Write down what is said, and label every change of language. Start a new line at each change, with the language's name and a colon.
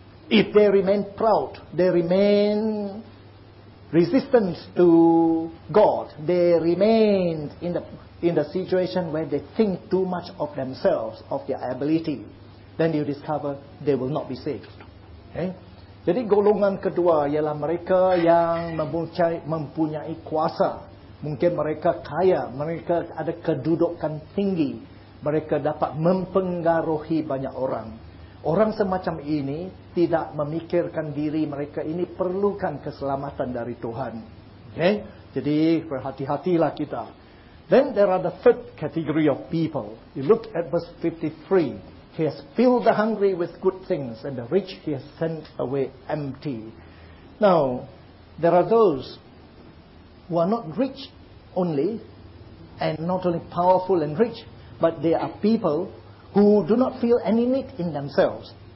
English: If they remain proud, they remain resistant to God, they remain in the situation where they think too much of themselves, of their ability, then you discover they will not be saved. Okay?
Malay: Jadi golongan kedua ialah mereka yang mempunyai kuasa. Mungkin mereka kaya, mereka ada kedudukan tinggi, mereka dapat mempengaruhi banyak orang. Orang semacam ini tidak memikirkan diri mereka ini perlukan keselamatan dari Tuhan. Okay? Jadi berhati-hatilah kita.
English: Then there are the third category of people. You look at verse 53. He has filled the hungry with good things, and the rich he has sent away empty. Now, there are those who are not rich only, and not only powerful and rich, but they are people who do not feel any need in themselves.